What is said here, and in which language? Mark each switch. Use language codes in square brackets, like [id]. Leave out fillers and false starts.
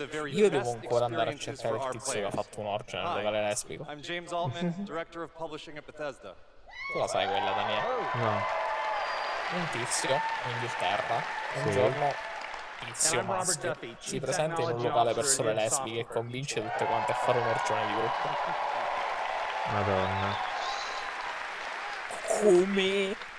[it] Io devo ancora andare a cercare il tizio che ha fatto un'orgia nel locale lesbico. [en] I'm James Altman, director of publishing at Bethesda. [it] Tu la sai quella, Daniele? No. Un tizio in Inghilterra, un giorno tizio maschio, si presenta in un locale per sole lesbiche e convince tutte quante a fare un'orgia di gruppo. Madonna. Come?